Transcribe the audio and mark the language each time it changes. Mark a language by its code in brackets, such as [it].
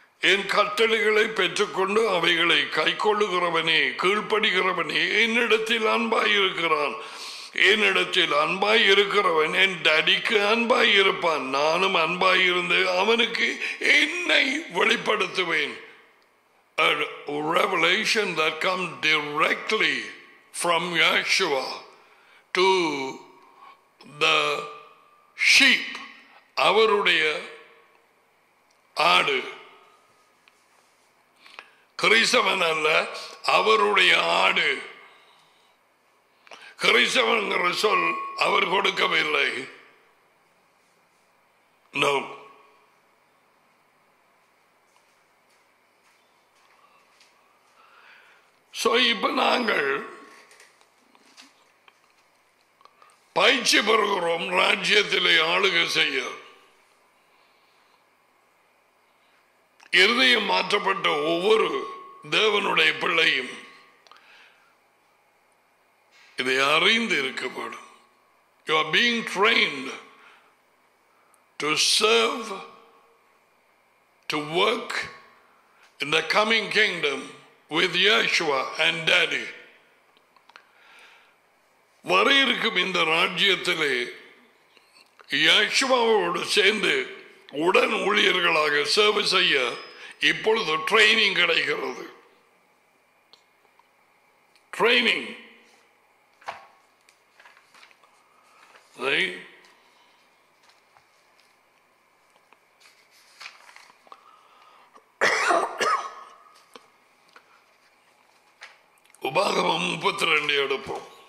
[ta] என் கட்டளைகளை பெற்றுக்கொண்டு அவைகளை கை கொள்ளுகிறவனே, கீழ்ப்படுகிறவனே என்னிடத்தில் அன்பாய் இருக்கிறான். என்னிடத்தில் அன்பாய் இருக்கிறவன் என் டாடிக்கு அன்பாய் இருப்பான், நானும் அன்பாய் இருந்து அவனுக்கு என்னை வெளிப்படுத்துவேன். [en] A revelation that comes directly from Yeshua to the sheep, [ta] அவருடைய ஆடு. கிறிஸ்தவன் அல்ல, அவருடைய ஆடு. கிறிஸ்தவன்கிற சொல் அவர் கொடுக்கவில்லை. நோ, சோ இப்ப நாங்கள் பயிற்சி பெறுகிறோம் ராஜ்யத்திலே ஆளுகை செய்ய. இருதயம் மாற்றப்பட்ட ஒவ்வொரு தேவனுடைய பிள்ளையும் இதை அறிந்து இருக்கப்படும். [en] You are being trained to serve, to work in the coming kingdom with Yeshua and Daddy. [ta] வர இருக்கும் இந்த ராஜ்யத்திலே யேசுவாவோடு சேர்ந்து உடன் ஊழியர்களாக சர்வ் செய்ய இப்பொழுது ட்ரைனிங் கிடைக்கிறது. ட்ரைனிங் உபாகமம் 32 எடுப்போம்.